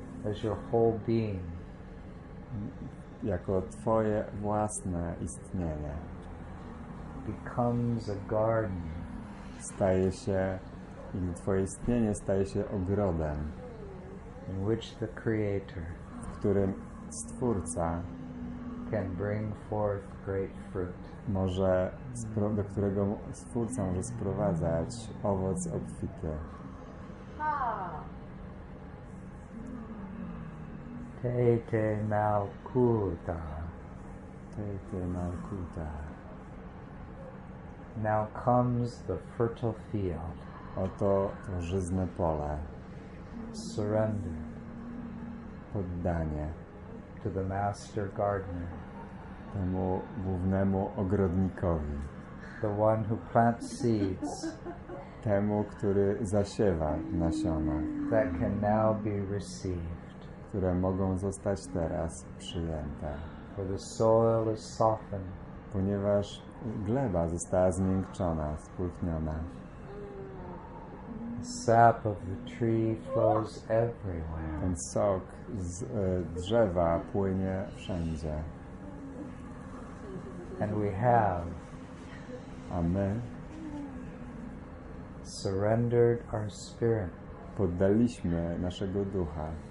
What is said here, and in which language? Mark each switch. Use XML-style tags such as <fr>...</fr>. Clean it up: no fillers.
<en>As your whole being.</en> <pl>Jako twoje własne istnienie.</pl> <en>Becomes a garden.</en> <pl>Staje się, twoje istnienie staje się ogrodem.</pl> <en>In which the creator.</en> <pl>W którym stwórca.</pl> <en>Can bring forth great fruit.</en> <pl>Może, do którego stwórca może sprowadzać owoc obfity.</pl> <arc>Tete Malkuta. Tete Malkuta.</arc> <en>Now comes the fertile field.</en> <pl>Oto to żyzne pole.</pl> <en>Surrender.</en> <pl>Poddanie.</pl> <en>To the master gardener.</en> <pl>Temu głównemu ogrodnikowi.</pl> <en>The one who plants seeds.</en> <pl>Temu, który zasiewa nasiona.</pl> <en>That can now be received.</en> <pl>Które mogą zostać teraz przyjęte.</pl> <en>For the soil is softened.</en> <pl>Ponieważ gleba została zmiękczona, spulchniona.</pl> <en>The sap of the tree flows everywhere.</en> <pl>Ten sok z drzewa płynie wszędzie.</pl> <en>And we have</en> <pl>a my</pl> <en>surrendered our spirit.</en> <pl>Poddaliśmy naszego ducha.</pl>